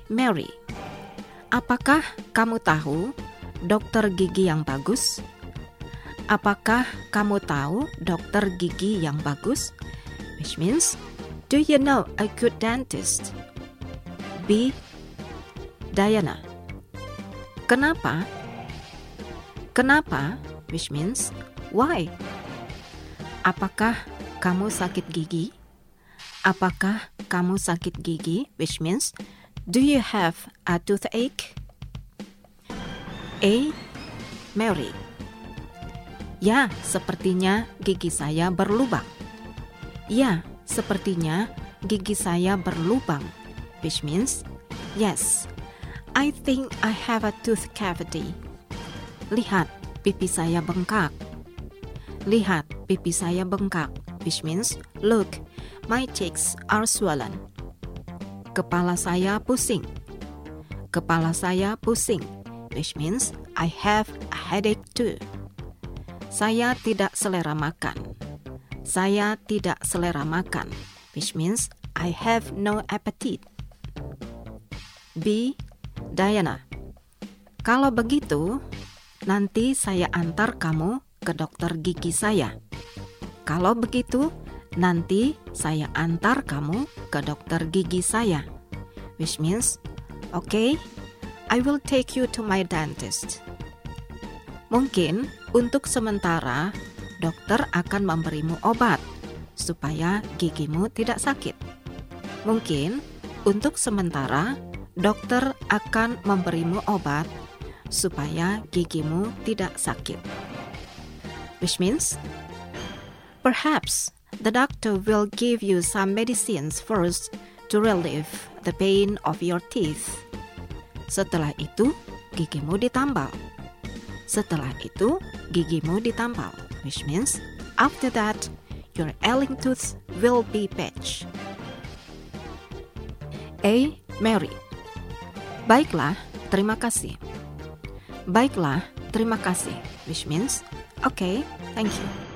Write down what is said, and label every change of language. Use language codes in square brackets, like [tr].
[id] Mary, apakah kamu tahu dokter gigi yang bagus? Apakah kamu tahu dokter gigi yang bagus? [en] Which means, do you know a good dentist? [id] B. Diana, kenapa? Kenapa? [en] Which means, why? [id] Apakah kamu sakit gigi? Apakah kamu sakit gigi? [en] Which means, do you have a toothache? A. [id] Mary, ya, sepertinya gigi saya berlubang. Ya, sepertinya gigi saya berlubang, [en] which means, yes, I think I have a tooth cavity. [id] Lihat, pipi saya bengkak. Lihat, pipi saya bengkak, [en] which means, look, my cheeks are swollen. [id] Kepala saya pusing. Kepala saya pusing, [en] which means, I have a headache too. [id] Saya tidak selera makan. Saya tidak selera makan, [en] which means, I have no appetite. B. [id] Diana, kalau begitu, nanti saya antar kamu ke dokter gigi saya. Kalau begitu, nanti saya antar kamu ke dokter gigi saya. [en] Which means, okay, I will take you to my dentist. [id] Mungkin untuk sementara, dokter akan memberimu obat supaya gigimu tidak sakit. Mungkin untuk sementara, dokter akan memberimu obat supaya gigimu tidak sakit. [en] Which means, perhaps the doctor will give you some medicines first to relieve the pain of your teeth. [id] Setelah itu, gigimu ditambal. Setelah itu, gigimu ditambal. [en] Which means, after that, your ailing tooth will be patched. [id] A. Mary, baiklah, terima kasih. Baiklah, terima kasih. [en] Which means, okay, thank you.